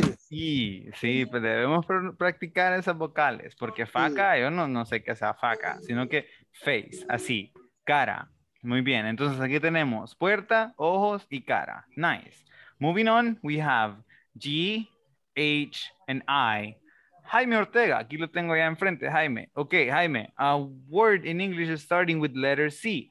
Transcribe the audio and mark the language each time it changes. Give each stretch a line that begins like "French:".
Spanish: Y, sí, pues debemos practicar esas vocales, porque faca, yo no sé qué sea faca, sino que face, así, cara. Muy bien, entonces aquí tenemos puerta, ojos y cara.
English: Nice. Moving on, we have G, H, and I.
Spanish: Jaime Ortega, aquí lo tengo ya enfrente, Jaime.
English: Ok, Jaime, a word in English starting with letter C.